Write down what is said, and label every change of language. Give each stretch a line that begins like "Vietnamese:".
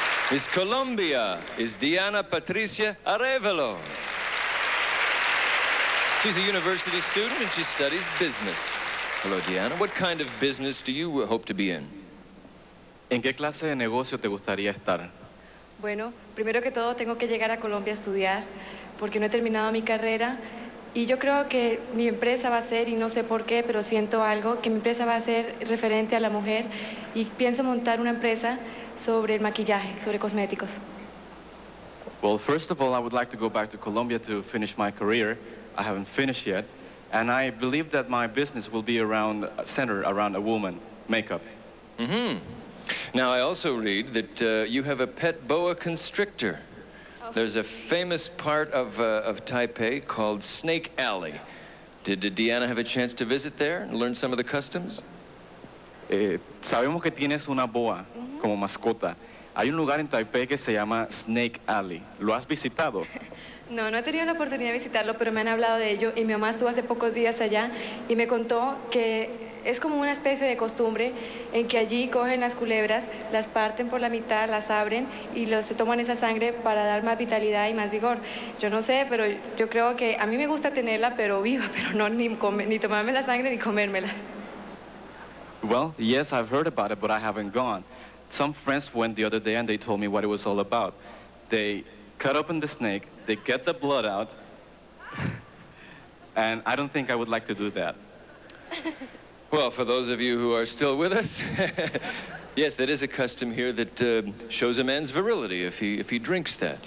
English: Miss Colombia is Diana Patricia Arévalo. She's a university student and she studies business. Hello, Diana. What kind of business do you hope to be in?
Spanish: ¿En qué clase de negocio te gustaría estar? Bueno, primero que todo tengo que llegar a Colombia a estudiar porque no he terminado mi carrera y yo creo que mi empresa va a ser, y no sé por qué, pero siento algo, que mi empresa va a ser referente a la mujer y pienso montar una empresa sobre el maquillaje, sobre cosméticos.
English: Well, first of all, I would like to go back to Colombia to finish my career. I haven't finished yet. And I believe that my business will be centered around a woman, makeup. Mm-hmm. Now, I also read that you have a pet boa constrictor. Okay. There's a famous part of Taipei called Snake Alley. D- Did Diana have a chance to visit there and learn some of the customs?
Spanish: Sabemos que tienes una boa como mascota. Hay un lugar en Taipei que se llama Snake Alley. ¿Lo has visitado? No, no he tenido la oportunidad de visitarlo, pero me han hablado de ello y mi mamá estuvo hace pocos días allá y me contó que es como una especie de costumbre en que allí cogen las culebras, las parten por la mitad, las abren y se toman esa sangre para dar más vitalidad y más vigor. Yo no sé, pero yo creo que a mí me gusta tenerla, pero viva, pero no ni tomarme la sangre ni comérmela.
English: Well, yes, I've heard about it, but I haven't gone. Some friends went the other day and they told me what it was all about. They cut open the snake, they get the blood out, and I don't think I would like to do that. Well, for those of you who are still with us, yes, that is a custom here that shows a man's virility if he drinks that.